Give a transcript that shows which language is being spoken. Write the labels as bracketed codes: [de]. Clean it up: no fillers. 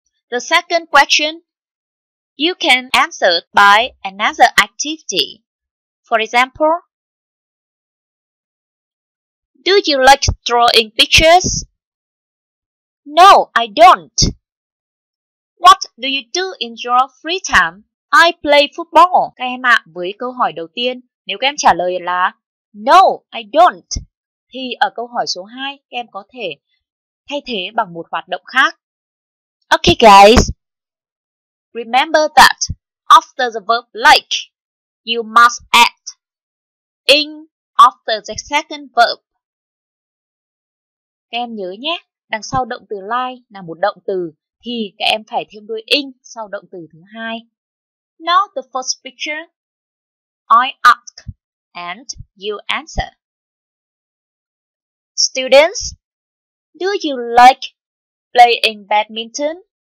[en] The second question, you can answer by another activity. For example, do you like drawing pictures? No, I don't. What do you do in your free time? I play football. [vi] Các em ạ, với câu hỏi đầu tiên, nếu các em trả lời là [en] no, I don't, [vi] thì ở câu hỏi số 2, các em có thể thay thế bằng một hoạt động khác. [en] Okay guys, remember that after the verb like, you must add in after the second verb. [vi] Các em nhớ nhé, đằng sau động từ like là một động từ, thì các em phải thêm đuôi in sau động từ thứ hai. [en] Now the first picture, I ask and you answer. Students, do you like playing badminton?